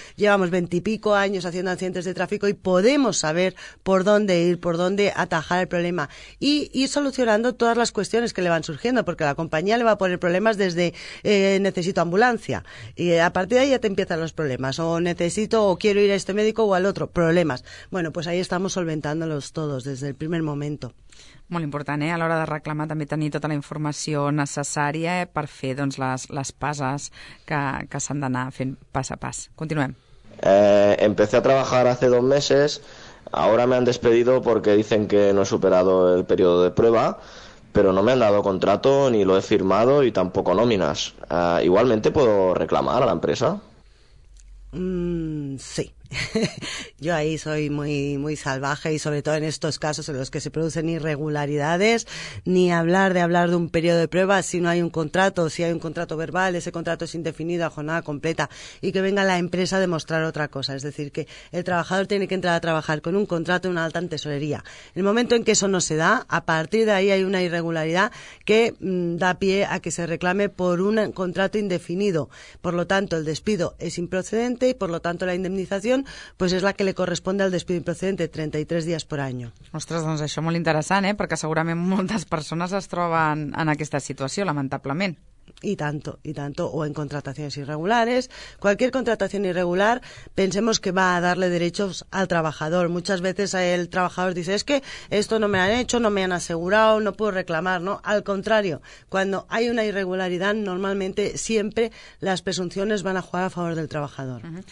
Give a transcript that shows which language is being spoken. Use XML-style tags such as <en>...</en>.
<es>Llevamos 20 y pico años haciendo accidentes de tráfico y podemos saber por dónde ir, por dónde atajar el problema y ir solucionando todas las cuestiones que le van surgiendo, porque la compañía le va a poner problemas desde necesito ambulancia y a partir de ahí ya te empiezan los problemas, o necesito o quiero ir a este médico o al otro, problemas. Bueno, pues ahí estamos solventándolos todos desde el primer momento.</es> <ca>Molt important, a l'hora de reclamar també tenir tota la informació necessària per fer doncs les passes que s'han d'anar fent pas a pas. Continuem.</ca> <es>Empecé a trabajar hace 2 meses, ahora me han despedido porque dicen que no he superado el periodo de prueba, pero no me han dado contrato ni lo he firmado y tampoco nóminas. ¿Igualmente puedo reclamar a la empresa? Sí. Yo ahí soy muy muy salvaje y sobre todo en estos casos en los que se producen irregularidades, ni hablar de un periodo de prueba si no hay un contrato, si hay un contrato verbal, ese contrato es indefinido a jornada completa y que venga la empresa a demostrar otra cosa. Es decir, que el trabajador tiene que entrar a trabajar con un contrato y una alta en tesorería. El momento en que eso no se da, a partir de ahí hay una irregularidad que da pie a que se reclame por un contrato indefinido. Por lo tanto, el despido es improcedente y por lo tanto la indemnización pues</es> <ca>és la que li correspon al despit improcedent, 33 dies per any. Ostres, doncs això molt interessant, perquè segurament moltes persones es troben en aquesta situació, lamentablement.</ca> <es>Y tanto, o en contrataciones irregulares. Cualquier contratación irregular, pensemos que va a darle derechos al trabajador. Muchas veces el trabajador dice, es que esto no me han hecho, no me han asegurado, no puedo reclamar, ¿no? Al contrario, cuando hay una irregularidad, normalmente siempre las presunciones van a jugar a favor del trabajador.</es>